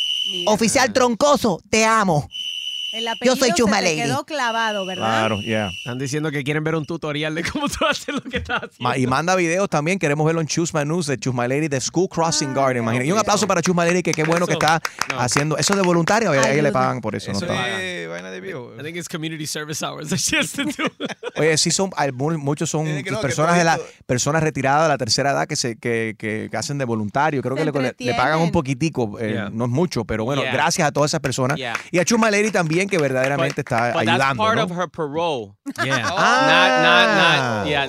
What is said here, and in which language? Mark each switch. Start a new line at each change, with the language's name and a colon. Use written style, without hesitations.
Spanish: Yeah. Oficial Troncoso, te amo. El apellido yo soy Chuma Lady. Quedó clavado, ¿verdad? Claro, ya. Yeah. Están diciendo que quieren ver un tutorial de cómo tú haces lo que estás haciendo. Y manda videos también. Queremos verlo en Chusma News de Chusma Lady de School Crossing Guard. Imagínate. Y un aplauso para Chusma Lady, que qué bueno que está haciendo. ¿Eso es de voluntario? A ellos le pagan por eso. Eso no es vaina de vivo.
English: I think it's community service hours that she has to do.
Spanish: Oye, sí son, muchos son personas retiradas de la tercera edad que hacen de voluntario. Creo que le pagan un poquitico. No es mucho, pero bueno, gracias a todas esas personas. Yeah. Y a Chusma Lady también. Que verdaderamente está ayudando.
English: That's part,
Spanish: ¿no?,
English: of her parole. Yeah.